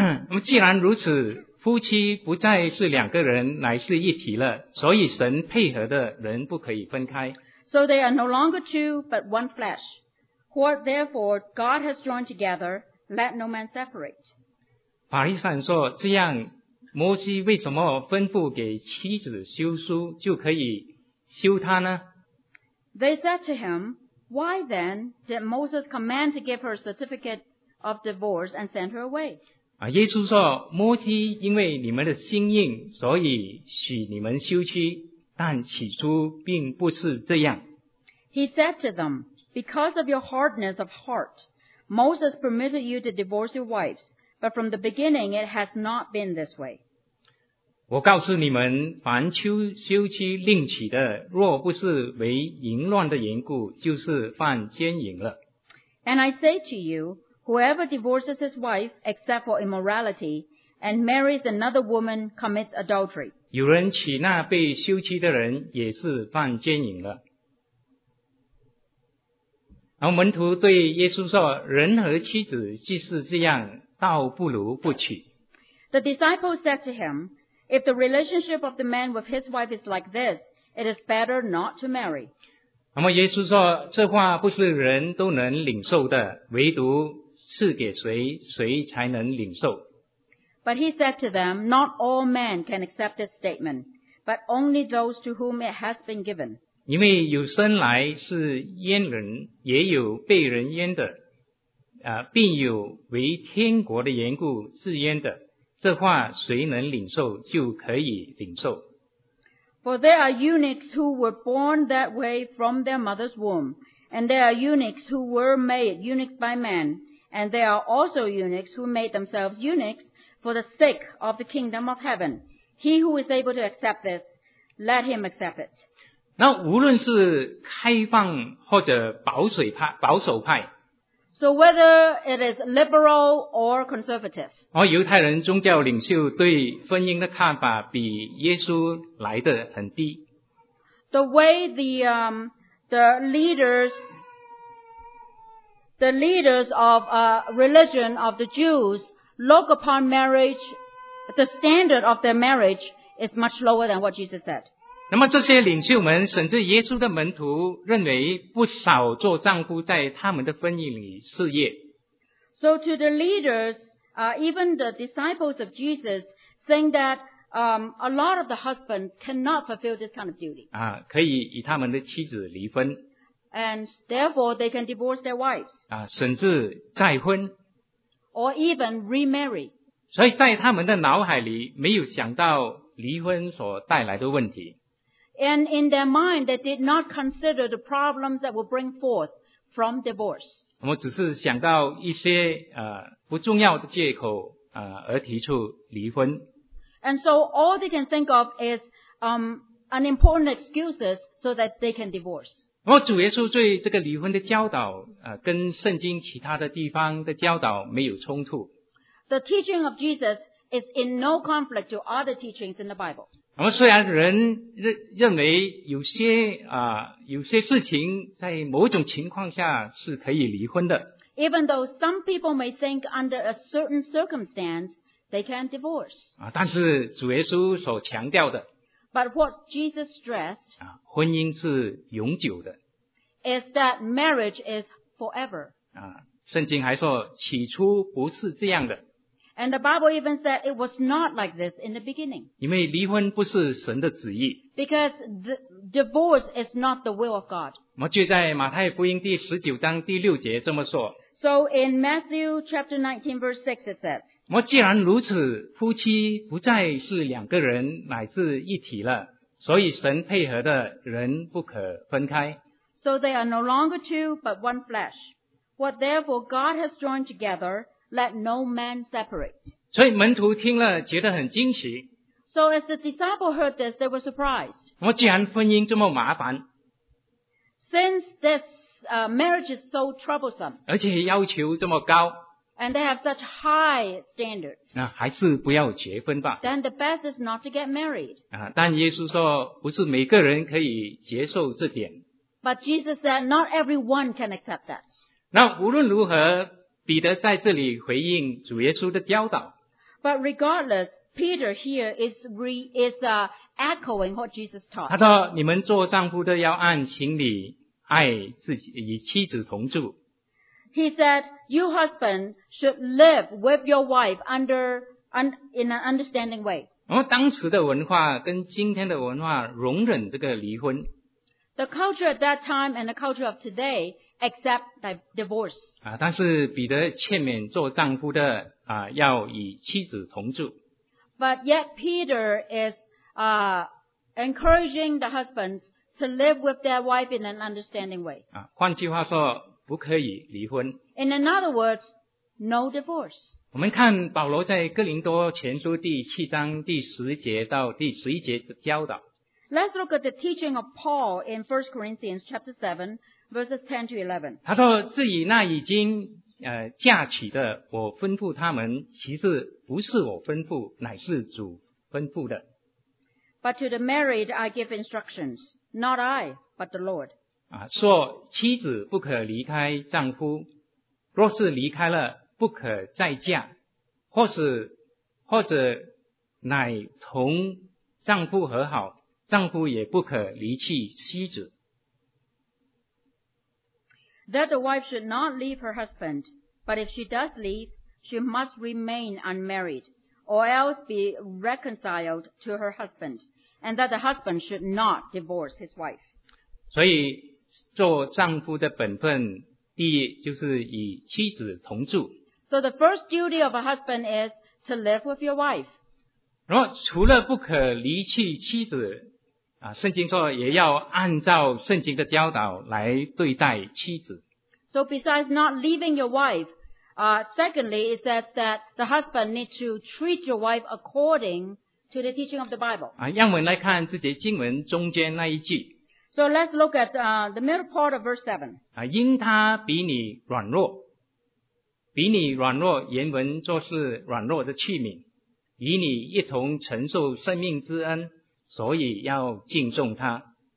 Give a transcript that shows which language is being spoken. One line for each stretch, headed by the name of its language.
Chinese: 那既然如此，夫妻不再是两个人，乃是一体了。所以神配合的人不可以分开。
English: So they are no longer two, but one flesh. What therefore God has joined together, let no man separate.
Chinese: 法利赛人说这样。摩西为什么吩咐给妻子休书就可以休她呢？
English: They said to him, Why then did Moses command to give her a certificate of divorce and send her away?
Chinese: 耶稣说，摩西因为你们的心硬，所以许你们休妻，但起初并不是这样。
English: He said to them, because of your hardness of heart, Moses permitted you to divorce your wives, but from the beginning it has not been this way.
Chinese: 我告诉你们，凡休妻另娶的，若不是为淫乱的缘故，就是犯奸淫了。
English: And I say to you, whoever divorces his wife except for immorality and marries another woman commits adultery.
Chinese: 有人娶那被休妻的人，也是犯奸淫了。然后门徒对耶稣说，人和妻子既是这样，倒不如不娶。
English: The disciples said to him, if the relationship of the man with his wife is like this, it is better not to marry.
Chinese: 那么耶稣说，这话不是人都能领受的，唯独赐给谁，谁才能领受。
English: But he said to them, not all men can accept this statement, but only those to whom it has been given.
Chinese: 因为有生来是阉人，也有被人阉的，并有为天国的缘故自阉的，这话谁能领受就可以领受。
English: For there are eunuchs who were born that way from their mother's womb, and there are eunuchs who were made eunuchs by man, and there are also eunuchs who made themselves eunuchs for the sake of the kingdom of heaven. He who is able to accept this, let him accept it.
Chinese: 那无论是开放或者保守派
English: So whether it is liberal or conservative,
Chinese: 而犹太人宗教领袖对婚姻的看法比耶稣来得很低。
English: The way the leaders of a religion of the Jews look upon marriage, the standard of their marriage is much lower than what Jesus said.
Chinese: 那么这些领袖们甚至耶稣的门徒认为不少做丈夫在他们的婚姻里事业。
English: So to the leaders, even the disciples of Jesus think that, a lot of the husbands cannot fulfill this kind of duty.
Chinese: 可以与他们的妻子离婚。
English: And therefore they can divorce their wives.
Chinese: 甚至再婚。
English: Or even remarry.
Chinese: 所以在他们的脑海里没有想到离婚所带来的问题。
English: And in their mind, they did not consider the problems that will bring forth from divorce.
Chinese: 我们只是想到一些不重要的借口而提出离婚。
English: And so all they can think of is unimportant excuses so that they can divorce.
Chinese: 那么主耶稣对这个离婚的教导跟圣经其他的地方的教导没有冲突。
English: The teaching of Jesus is in no conflict to other teachings in the Bible.
Chinese: 那么虽然人认为有些事情在某种情况下是可以离婚的。
English: Even though some people may think under a certain circumstance, they can divorce.
Chinese: 但是主耶稣所强调的。
English: But what Jesus stressed,
Chinese: 婚姻是永久的。
English: Is that marriage is forever.
Chinese: 圣经还说起初不是这样的。
English: And the Bible even said it was not like this in the beginning.
Chinese: 因为离婚不是神的旨意。
English: Because the divorce is not the will of God.
Chinese: 我就在马太福音第十九章第六节这么说。
English: So in Matthew chapter 19 verse 6 it says,
Chinese: 我既然如此夫妻不再是两个人乃是一体了所以神配合的人不可分开。
English: So they are no longer two but one flesh. What therefore God has joined together,Let no man separate.
Chinese: 所以门徒听了觉得很惊奇。
English: So as the disciple heard this, they were surprised.
Chinese: 我既然婚姻这么麻烦。
English: Since this marriage is so troublesome.
Chinese: 而且要求这么高。
English: And they have such high standards.
Chinese: 那还是不要结婚吧。
English: Then the best is not to get married.
Chinese: 但耶稣说不是每个人可以接受这点。
English: But Jesus said not everyone can accept that.
Chinese: 那无论如何彼得在这里回应主耶稣的教导。
English: But regardless, Peter here is echoing what Jesus taught.
Chinese: 他说你们做丈夫的要按情理爱自己与妻子同住。
English: He said, you husband should live with your wife in an understanding way.
Chinese: 当时的文化跟今天的文化容忍这个离婚。
English: The culture at that time and the culture of today accept divorce.
Chinese: 啊，但是彼得劝勉做丈夫的啊，要与妻子同住。
English: But yet Peter is encouraging the husbands to live with their wife in an understanding way.
Chinese: 啊，换句话说，不可以离婚。
English: In other words, no divorce.
Chinese: 我们看保罗在哥林多前书第七章第十节到第十一节的教导。
English: Let's look at the teaching of Paul in 1 Corinthians chapter 7, verses 10 to 11.
Chinese: 他说，至于那已经嫁娶的，我吩咐他们，其实不是我吩咐，乃是主吩咐的。
English: But to the married I give instructions, not I, but the Lord.
Chinese: 啊，说妻子不可离开丈夫，若是离开了，不可再嫁，或者乃同丈夫和好，丈夫也不可离弃妻子。
English: That the wife should not leave her husband, but if she does leave, she must remain unmarried, or else be reconciled to her husband, and that the husband should not divorce his wife.
Chinese: 所以做丈夫的本分，第一就是与妻子同住。
English: So the first duty of a husband is to live with your wife.
Chinese: 然后除了不可离弃妻子，圣经说也要按照圣经的教导来对待妻子。
English: So besides not leaving your wife, secondly, it says that the husband needs to treat your wife according to the teaching of the Bible.
Chinese: 让我们来看这节经文中间那一句。
English: So let's look at the middle part of verse 7.
Chinese: 因他比你软弱，比你软弱，原文就是软弱的器皿，与你一同承受生命之恩，所以要敬重他。